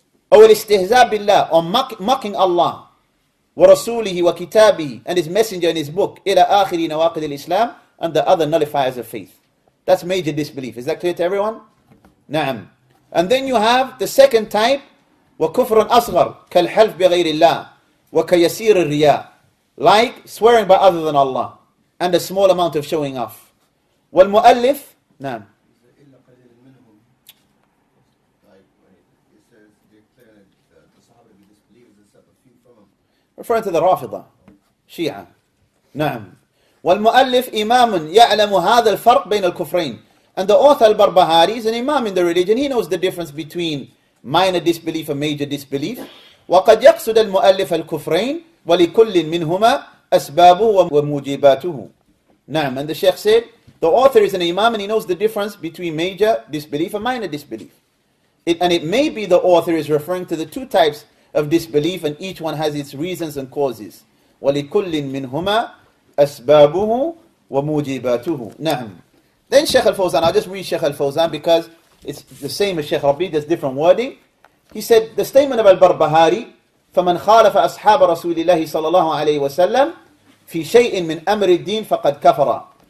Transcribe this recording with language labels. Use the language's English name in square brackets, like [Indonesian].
[English] Or [Arabic] al-istihza billah, [English] or mocking Allah, [Arabic] wa rasulihi wa kitabihi, [English] and his messenger and his book, [Arabic] ila akhiri nawaqid al-Islam, [English] and the other nullifiers of faith. That's major disbelief. Is that clear to everyone? Na'am. And then you have the second type, [Arabic] وكفر أصغر كالحلف بغير الله وكيسير الرياء, [English] like swearing by other than Allah and a small amount of showing off. [Arabic] والمؤلف, نعم, [English] referring to the [Arabic] رافضة, شيعة, نعم. والمؤلف إمام يعلم هذا الفرق بين الكفرين. [English] And the author al-Barbahari is an imam in the religion. He knows the difference between minor disbelief or major disbelief. [Arabic] وَقَدْ يَقْصُدَ الْمُؤَلِّفَ الْكُفْرَيْنِ وَلِكُلِّ مِنْهُمَا أَسْبَابُهُ وَمُجِيبَاتُهُ. نعم. [English] And the Sheikh said, the author is an imam and he knows the difference between major disbelief and minor disbelief. And it may be the author is referring to the two types of disbelief and each one has its reasons and causes. [Arabic] وَلِكُلِّ مِنْهُمَا أَسْبَابُهُ وَمُجِيبَاتُهُ. نعم. [English] Then Sheikh Al-Fawzan, I'll just read Sheikh Al-Fawzan because it's the same as Sheikh Rabi, there's different wording. He said, the statement of Al-Barbahari, [Arabic] فَمَنْ خَالَفَ أَصْحَابَ رَسُولِ اللَّهِ صَلَى اللَّهُ عَلَيْهِ وَسَلَّمْ فِي شَيْءٍ مِنْ أَمْرِ الدِّينِ فَقَدْ كَفَرَ.